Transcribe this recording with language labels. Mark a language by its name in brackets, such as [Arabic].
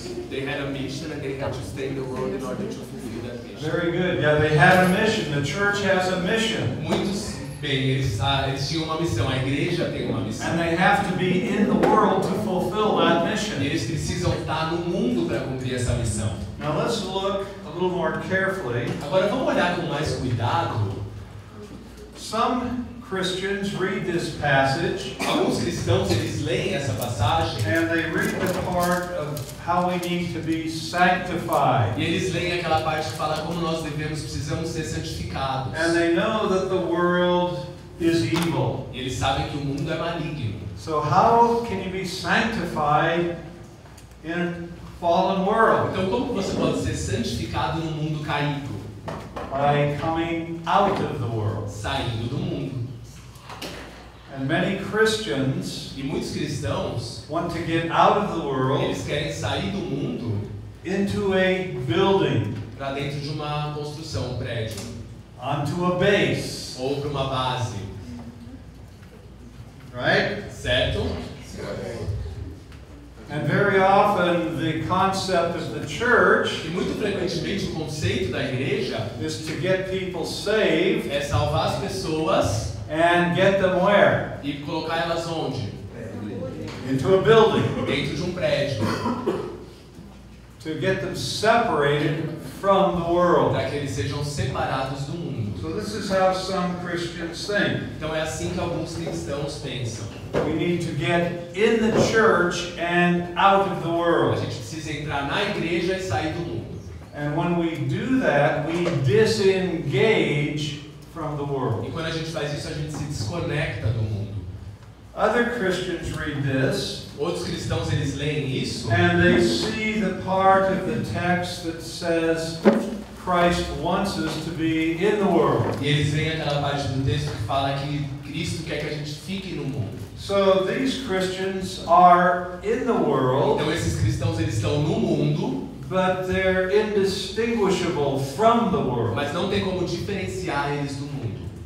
[English] They had a mission and they had to stay in the world in order to fulfill that mission. Very good. Yeah, they had a mission. The church has a mission. [Portuguese] Muitos bem, eles tinham uma missão, a igreja tem uma missão. [English] And they have to be in the world to fulfill that mission. [Portuguese] E eles precisam estar no mundo para cumprir essa missão. [English] Now let's look a little more carefully. [Portuguese] Agora vamos olhar com mais cuidado. [English] Some Christians read this passage. [Portuguese] Alguns cristãos eles leem essa passagem. [English] And they read the part of how we need to be sanctified. [Portuguese] E eles leem aquela parte que fala como nós devemos, precisamos ser santificados. [English] And they know that the world is evil. [Portuguese] E eles sabem que o mundo é maligno. [English] So how can you be sanctified in a fallen world? [Portuguese] Então como você pode ser santificado num mundo caído? [English] By coming out of the world. [Portuguese] Saindo do mundo. [English] And many Christians [Portuguese] e muitos cristãos [English] want to get out of the world, [Portuguese] eles querem sair do mundo [English] into a building, [Portuguese] para dentro de uma construção, um prédio, [English] onto a base, [Portuguese] ou para uma base. [English] Right? [Portuguese] Certo? [English] And very often the concept of the church, [Portuguese] e muito frequentemente o conceito da igreja, [English] is to get people saved, [Portuguese] é salvar as pessoas. [English] And get them where? [Portuguese] E colocar elas onde? [English] Into a building. [Portuguese] Dentro de um prédio. [English] To get them separated from the world. [Portuguese] Para que eles sejam separados do mundo. [English] So this is how some Christians think. [Portuguese] Então é assim que alguns cristãos pensam. [English] We need to get in the church and out of the world. [Portuguese] A gente precisa entrar na igreja e sair do mundo. [English] And when we do that, we disengage from the world. [Portuguese] E quando a gente faz isso, a gente se desconecta do mundo. [English] Other Christians read this. [Portuguese] Outros cristãos eles leem isso. [English] And they see the part of the text that says Christ wants us to be in the world. [Portuguese] E eles veem aquela parte do texto que fala que Cristo quer que a gente fique no mundo. [English] So these Christians are in the world. [Portuguese] Então esses cristãos eles estão no mundo. [English] but they're indistinguishable from the world. [Portuguese] Mas não tem como diferenciar eles do mundo.